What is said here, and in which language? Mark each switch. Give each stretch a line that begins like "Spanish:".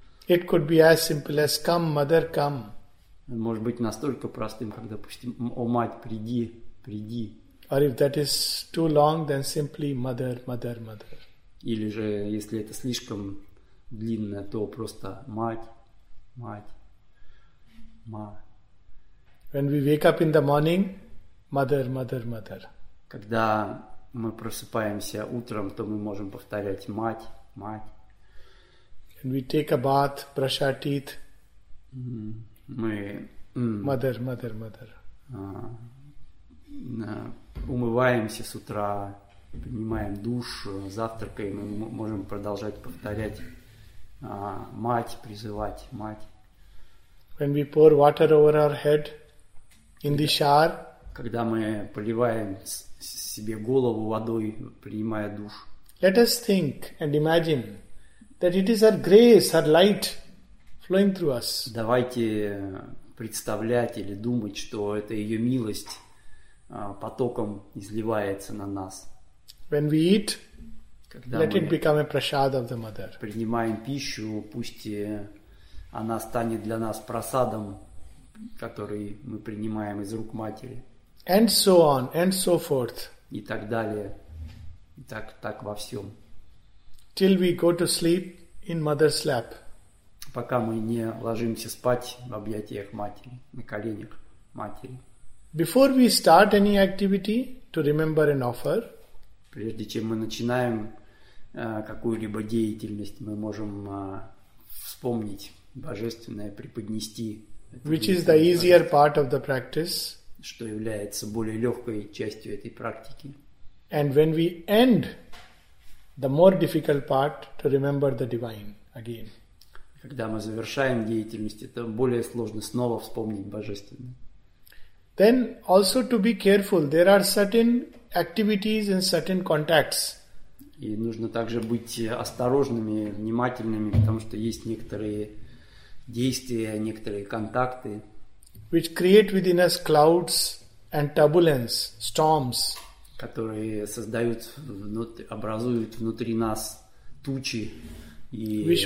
English: It could be as simple as come, mother, come.
Russian: Может быть настолько простым, как, допустим, о мать, приди, приди.
English: Or if that is too long, then simply mother, mother, mother.
Russian: Или же, если это слишком длинное, то просто мать, мать, ма.
English: When we wake up in the morning, mother, mother, mother.
Russian: Когда мы просыпаемся утром, то мы можем повторять мать, мать.
English: When we take a bath, brush our teeth. Mother, mother, mother.
Russian: Умываемся с утра, принимаем душ, завтракаем, мы можем продолжать повторять мать, призывать мать.
English: When we pour water over our head in the shower,
Russian: когда мы поливаем себе голову водой, принимая душ.
English: Let us think and imagine that it is our grace, our light flowing through us.
Russian: Давайте представлять или думать, что это ее милость потоком изливается на нас.
English: When we eat,
Russian: когда
English: let it become a prasad of the mother.
Russian: Принимаем пищу, пусть она станет для нас прасадом, которые мы принимаем из рук матери.
English: And so on, and so forth.
Russian: И так далее. И так, так во всем.
English: Till we go to sleep in mother's lap.
Russian: Пока мы не ложимся спать в объятиях матери, на коленях матери.
English: Before we start any activity to remember an offer.
Russian: Прежде чем мы начинаем какую-либо деятельность, мы можем вспомнить божественное, преподнести.
English: Which is the easier part of the practice.
Russian: Что является более легкой частью этой практики.
English: And when we end, the more difficult part to remember the divine again.
Russian: Когда мы завершаем деятельность, это более сложно снова вспомнить божественное.
English: Then also to be careful, there are certain activities and certain contacts.
Russian: И нужно также быть осторожными, внимательными, потому что есть некоторые действия, некоторые контакты,
English: which create within us clouds and turbulence, storms.
Russian: Которые создают, образуют внутри нас тучи и